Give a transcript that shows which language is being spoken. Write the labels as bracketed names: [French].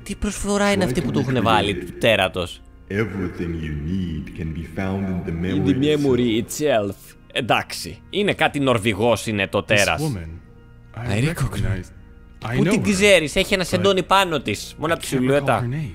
[Greek] Τι προσφορά είναι αυτή που του έχουν βάλει του τέρατος. [English] Everything you need can be found in the memory. In the memory itself. Εντάξει. [Greek] Είναι κάτι Νορβηγός είναι το τέρας. [English] I recognize. [Greek] Πού την ξέρεις, έχει ένα σεντόνι πάνω της. Μόνο από τη σιλουέτα.